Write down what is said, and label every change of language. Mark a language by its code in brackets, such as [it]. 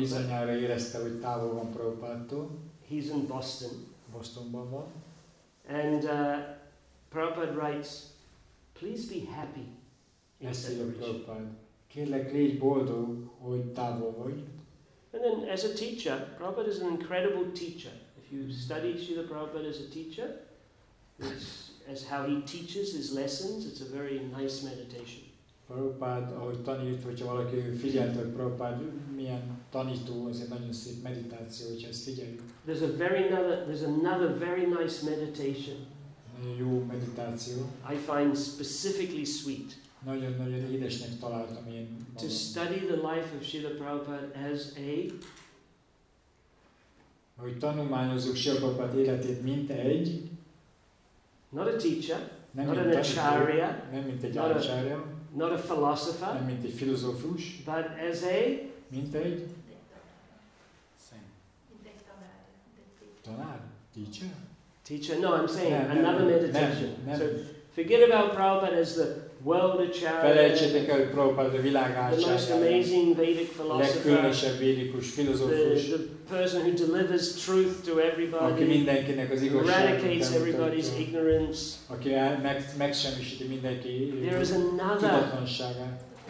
[hu] Bizonyára érezte, hogy távol van Prabhupádtól. [en] He's in Boston. [hu] Bostonban van. [en] And Prabhupada writes, please be happy in separation. [hu] Kérlek, légy boldog, hogy távol vagy. [en] And then as a teacher, Prabhupada is an incredible teacher. If you study Srila Prabhupada as a teacher, it's as how he teaches his lessons, it's a very nice meditation. [hu] Prabhupád, ahogy tanít, hogyha valaki figyelt, hogy Prabhupád milyen tanító, ez egy nagyon szép meditáció, hogyha ezt figyeljük. [en] There's another very nice meditation. [hu] Nagyon jó meditáció. [en] I find specifically sweet. [hu] Nagyon-nagyon édesnek találtam én. [en] To study the life of Srila Prabhupada as a... [hu] Hogy tanulmányozzuk Srila Prabhupád életét, mint egy... [en] Not a teacher. [hu] Nem [en] not an acharya. [hu] Nem mint egy acharya. [en] Not a philosopher, [hu] nem, mint egy filozófus, [en] but as a [hu] mint egy tanár, [en] teacher. Teacher, no, I'm saying another meditation. So forget about Prabhupada as the world acharya. [hu] Felejtsétek el, hogy Prabhupada a világ acharya. [en] The most amazing Vedic philosopher. [hu] Legkülönösebb védikus filozófus. [en] The person who delivers truth to everybody. [hu] Aki mindenkinek az igazságot. [en] Eradicates everybody's ignorance. [hu] Aki megsemmisíti mindenki tudatlanságát.